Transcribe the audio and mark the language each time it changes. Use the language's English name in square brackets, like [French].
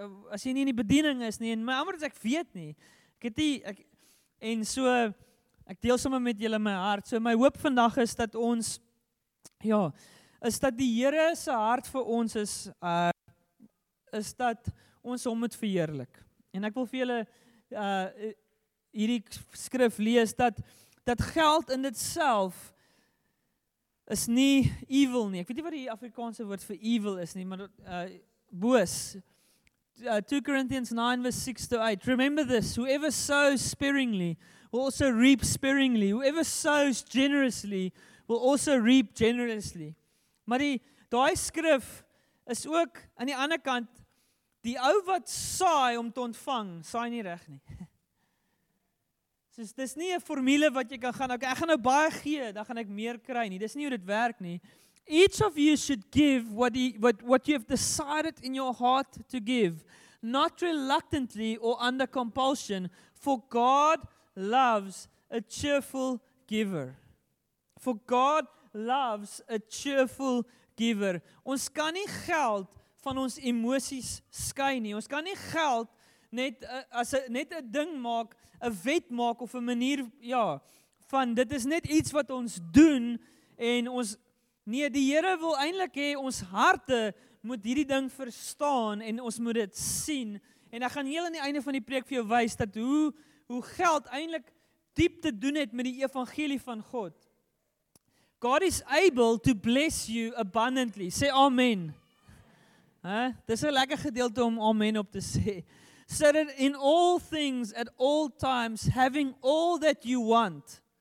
[Afrikaans] as jy nie in die bediening is nie, en my antwoord is ek weet nie, ek deel sommer met julle my hart, so my hoop vandag is dat ons, is dat die Here se hart vir ons is dat ons hom moet verheerlik, en ek wil vir julle hierdie skrif lees, dat geld in dit self, is nie evil nie. Ek weet nie wat die Afrikaanse woord vir evil is nie, maar boos. [English] 2 Corinthians 9 verse 6-8. Remember this, whoever sows sparingly will also reap sparingly. Whoever sows generously will also reap generously. [Afrikaans] Maar die skrif is ook, aan die ander kant, die ou wat saai om te ontvang, saai nie reg nie. Dus dis nie 'n formule wat jy kan gaan, ek gaan nou baie gee, dan gaan ek meer kry nie, dis nie hoe dit werk nie. [English] Each of you should give what you have decided in your heart to give, not reluctantly or under compulsion, for God loves a cheerful giver. For God loves a cheerful giver. [Afrikaans] Ons kan nie geld van ons emosies skei nie, ons kan nie geld net 'n ding maak, 'n wet maak of 'n manier, van dit is net iets wat ons doen en ons, nee, die Here wil eintlik hê ons harte moet hierdie ding verstaan en ons moet dit sien en ek gaan heel aan die einde van die preek vir jou wys dat hoe geld eintlik diep te doen het met die evangelie van God. [English] God is able to bless you abundantly. [Afrikaans] Sê amen. Dis 'n lekker gedeelte om amen op te sê. [English] So that in all things, at all times, having all that you want.